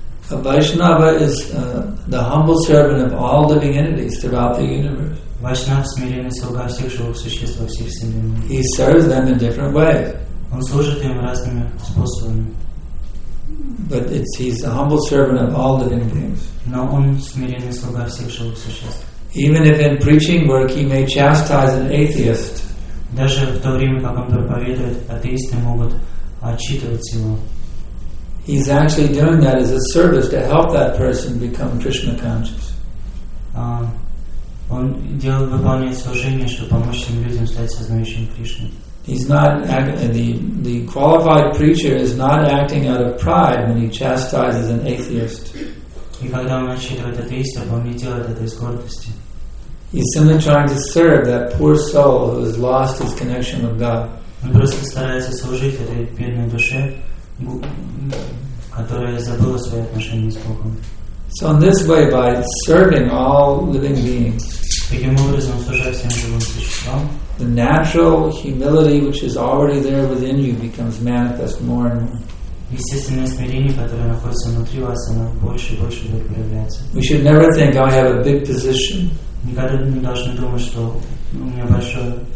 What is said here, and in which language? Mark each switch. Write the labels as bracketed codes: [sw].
[en] A Vaishnava is the humble servant of all living entities throughout the universe. [ru] Vaishnava – смиренный слуга всех живых существ во всех вселенных. [en] He serves them in different ways. [ru] Он служит им разными способами. [en] But he's a humble servant of all living beings. [ru] Но он смиренный слуга всех живых существ. [en] Even if in preaching work he may chastise an atheist. [ru] Даже в то время, как он проповедует, атеисты могут отчитывать его. [en] He's actually doing that as a service to help that person become Krishna conscious. [ru] Он делает, выполняет служение, чтобы помочь тем людям стать сознающим Кришну. [en] He's not the qualified preacher is not acting out of pride when he chastises an atheist. [ru] И когда он отчитывает атеиста, он не делает это из гордости. [en] He's simply trying to serve that poor soul who has lost his connection with God. [ru] Он просто старается служить этой бедной душе, которая забыла свои отношения с Богом. [en] So in this way, by serving all living beings, [ru] таким образом, служа всем живым существам, [en] the natural humility which is already there within you becomes manifest more and more. [ru] Естественное смирение, которое находится внутри вас, оно больше и больше будет проявляться. [en] We should never think, oh, I have a big position. [ru] Никогда не должны думать, что у меня большое.